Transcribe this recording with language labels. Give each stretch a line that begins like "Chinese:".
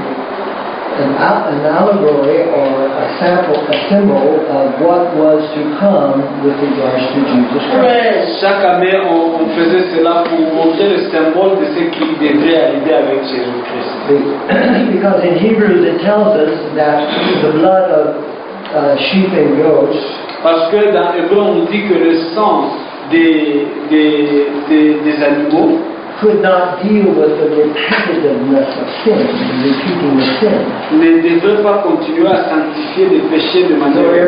English: as an allegory or a sample, a symbol of what was to come with regards to Jesus Christ.
French: Chaque année, on faisait cela pour montrer le symbole de ce qui devrait arriver avec Jésus Christ.
English: Because in Hebrews it tells us that the blood of sheep and goats.
French: Parce que dans Hébreux on nous dit que le sang des animaux
English: could not deal with the repetitiveness of sin, repeating the sin.
French: Ne devait pas continuer à sanctifier les péchés de manière